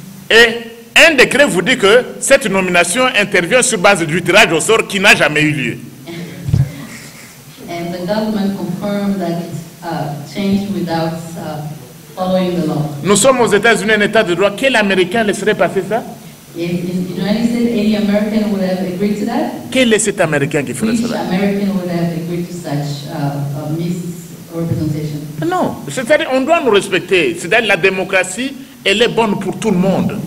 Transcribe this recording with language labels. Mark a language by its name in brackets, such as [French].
[French] Et un décret vous dit que cette nomination intervient sur base du tirage au sort qui n'a jamais eu lieu. [English] And the government confirmed that it changed without following the law. [French] Nous sommes aux États-Unis, un état de droit. Quel Américain laisserait passer ça? [English] Any American would have agreed to that? [French] Quel est cet Américain qui ferait cela? [English] American would have agreed to such misrepresentation? [French] Non, c'est-à-dire on doit nous respecter. C'est-à-dire la démocratie, elle est bonne pour tout le monde.